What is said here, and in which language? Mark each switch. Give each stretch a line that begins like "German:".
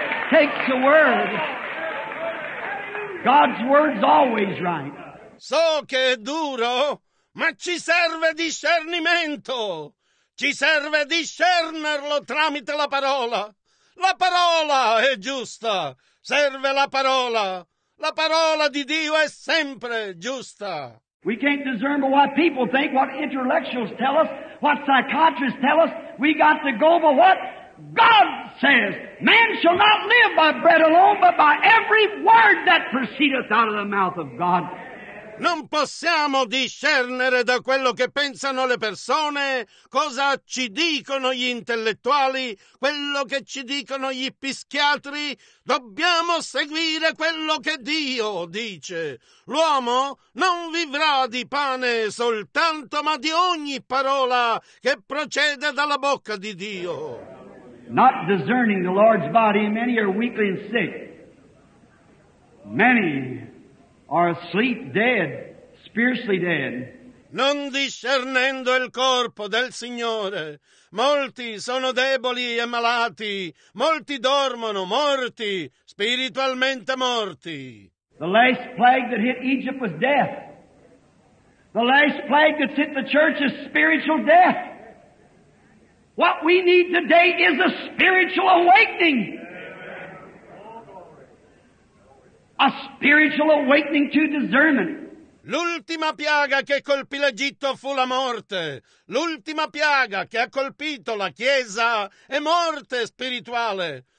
English: Take the word. God's word's always right.
Italian: So che è duro. Ma ci serve discernimento, ci serve discernerlo tramite la parola. La parola è giusta, serve la parola di Dio è sempre giusta.
English: We can't discern by what people think, what intellectuals tell us, what psychiatrists tell us. We got to go by what God says. Man shall not live by bread alone, but by every word that proceedeth out of the mouth of God.
Italian: Non possiamo discernere da quello che pensano le persone, cosa ci dicono gli intellettuali, quello che ci dicono gli psichiatri. Dobbiamo seguire quello che Dio dice. L'uomo non vivrà di pane soltanto, ma di ogni parola che procede dalla bocca di Dio.
English: Not discerning the Lord's body, many are weakly and sick. Many are asleep, dead, spiritually dead.
Italian: Non discernendo il corpo del Signore, molti sono deboli e malati, molti dormono morti, spiritualmente morti.
English: The last plague that hit Egypt was death. The last plague that hit the church is spiritual death. What we need today is a spiritual awakening. A spiritual awakening to discernment.
Italian: L'ultima piaga che colpì l'Egitto fu la morte. L'ultima piaga che ha colpito la Chiesa è morte spirituale.